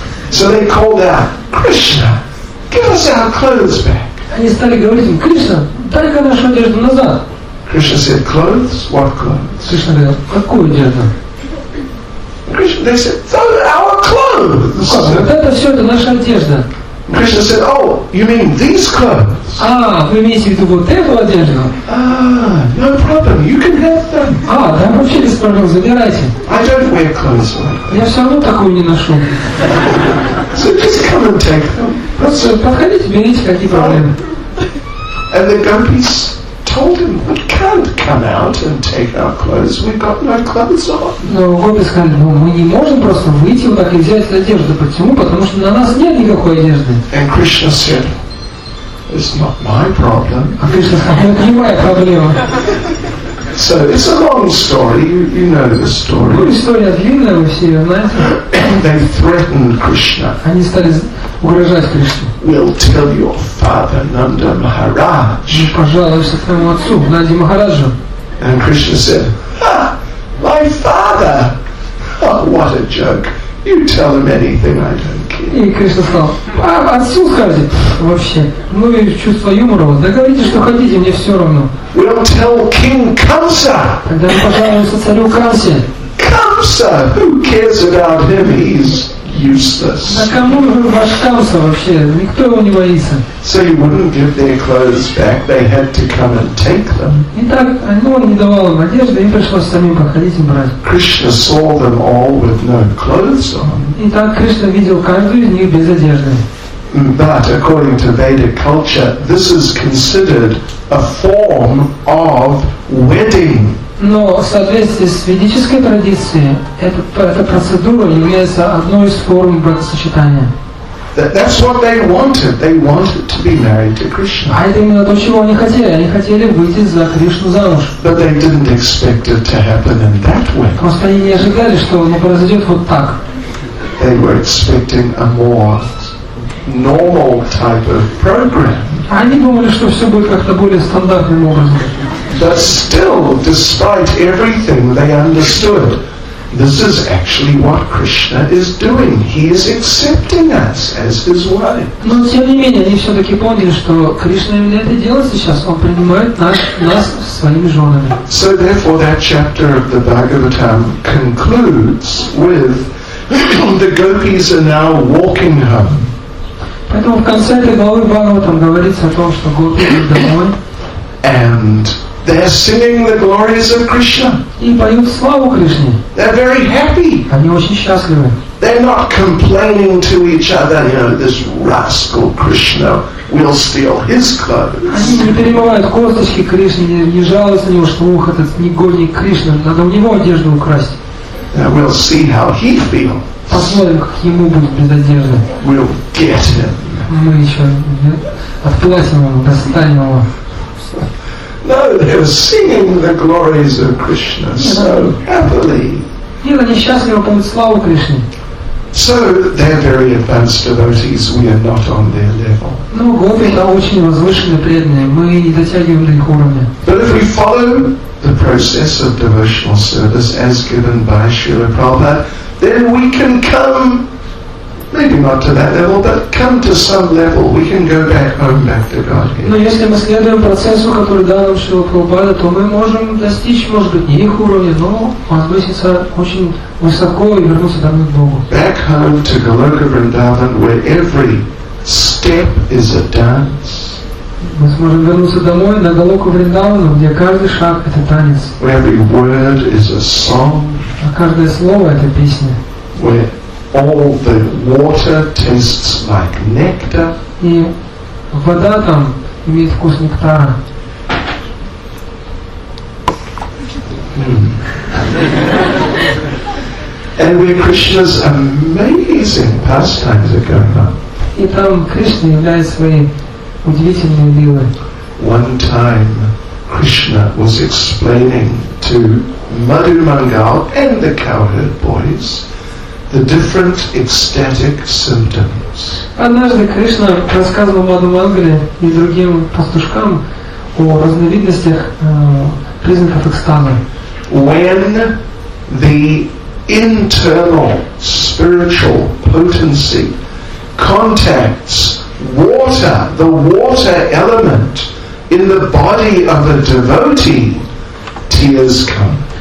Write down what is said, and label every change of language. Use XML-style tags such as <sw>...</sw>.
<en>So they called out, Krishna, give us our clothes back.</en> <ru>Они стали говорить им, Кришна, дай-ка нашу одежду назад.</ru> <en>Krishna said, clothes? What clothes?</en> <ru>Кришна говорит, какую одежду?</ru> <en>Krishna, they said, those are our clothes.</en> <ru>Вот это все, это наша одежда.</ru> <en>Krishna said, oh, you mean these clothes?</en> <ru>А, вы имеете в виду вот эту одежду?</ru> <en>No problem, you can have them.</en> <ru>А, да вообще без проблем, забирайте.</ru> <en>I don't wear clothes like that.</en> <ru>Я все равно такую не ношу.</ru> <en>So just come and take them.</en> <ru>Просто подходите, берите, какие проблемы.</ru> <en>And the gopis told him, we can't come out and take our clothes, we've got no clothes on.</en> <ru>Но гопи сказали, ну мы не можем просто выйти вот так и взять одежду. Почему? Потому что на нас нет никакой одежды.</ru> <en>And Krishna said, it's not my problem.</en> <ru>А Кришна сказал, это не моя проблема.</ru> <en>So it's a long story, you know the story.</en> <ru>Ну история длинная, вы все ее знаете.</ru> <en>They threatened Krishna.</en> <ru>Они стали угрожать Кришне.</ru> <en>We'll tell your father, Nanda Maharaj.</en> <ru>Мы пожалуемся твоему отцу, Нанде Махараджу.</ru> <en>And Krishna said, ha, my father, oh, what a joke. You tell him anything, I don't care.</en> <ru>И Кришна сказал, а отцу скажи, вообще, ну и чувство юмора, да говорите, что хотите, мне все равно.</ru> <en>We'll tell King Kamsa.</en> <ru>Тогда мы пожалуемся царю Камсе.</ru> <en>Come Vasa? Who cares about him? He's useless.</en> <ru>Да кому Вашкамса вообще? Никто его не боится.</ru> <en>So he wouldn't give their clothes back. They had to come and take them.</en> <ru>Итак, он не давал им одежды, им пришлось самим походить и брать.</ru> <en>Krishna saw them all with no clothes on.</en> <ru>Итак, Кришна видел каждую из них без одежды.</ru> <en>But according to Vedic culture, this is considered a form of wedding.</en> <ru>Но в соответствии с ведической традицией, эта процедура является одной из форм бракосочетания.</ru> <en>That's what they wanted. They wanted to be married to Krishna.</en> <ru>А это именно то, чего они хотели. Они хотели выйти за Кришну замуж.</ru> <en>But they didn't expect it to happen in that way.</en> <ru>Просто они не ожидали, что оно произойдет вот так.</ru> <en>They were expecting a more normal type of program.</en> <ru>Они думали, что все будет как-то более стандартным образом.</ru> <en>But still, despite everything, they understood. This is actually what Krishna is doing. He is accepting us as his wife.</en> <ru>Но тем не менее, они все-таки поняли, что Кришна именно это делает сейчас. Он принимает нас своими женами.</ru> <en>So therefore, that chapter of the Bhagavatam concludes with the gopis are now walking home.</en> <ru>Поэтому в конце этой главы Бхагаватам говорится о том, что гопи идут домой.</ru> <en>And they're singing the glories of Krishna.</en> <ru>И поют славу Кришне.</ru> <en>They're very happy.</en> <ru>Они очень счастливы.</ru> <en>They're not complaining to each other, you know, this rascal Krishna will steal his clothes.</en> <ru>Они не перемывают косточки Кришне, не жалуются на него, что ух, этот негодник Кришна, надо у него одежду украсть.</ru> <en>Now we'll see how he feels.</en> <ru>Посмотрим, как ему будет без одежды.</ru> <en>We'll get him.</en> <ru>Мы еще отплатим ему, достанем его.</ru> <en>No, they were singing the glories of Krishna so happily.</en> <ru>Нет, они счастливы поют славу Кришне.</ru> <en>So they're very advanced devotees. We are not on their level.</en> <ru>Ну, гопи это очень возвышенные преданные. Мы не дотягиваем до их уровня.</ru> <en>But if we follow the process of devotional service as given by Srila Prabhupada, then we can come, maybe not to that level, but come to some level. We can go back home, back to Godhead.</en> <ru>Но если мы следуем процессу, который дал нам Шрила Прабхупада, то мы можем достичь, может быть, не их уровня, но возвыситься очень высоко и вернуться домой к Богу.</ru> <en>Back home to Goloka Vrindavan, where every step is a dance.</en> <ru>Мы сможем вернуться домой на Голоку Вриндавану, где каждый шаг — это танец.</ru> <en>Where every word is a song.</en> <ru>А каждое слово — это песня.</ru> <en>Where all the water tastes like nectar.</en> <ru>И вода там имеет вкус нектара.</ru> <en>And where Krishna's amazing pastimes are going on.</en> <ru>И там Кришна являет свои удивительные лилы.</ru> <en>One time Krishna was explaining to Madhu Mangal and the cowherd boys the different ecstatic symptoms.</en> <ru>Однажды Кришна рассказывал Мадху Мангале и другим пастушкам о разновидностях признаков экстаза.</ru> <en>When the internal spiritual potency contacts water, the water element in the body of a devotee, tears come.</en>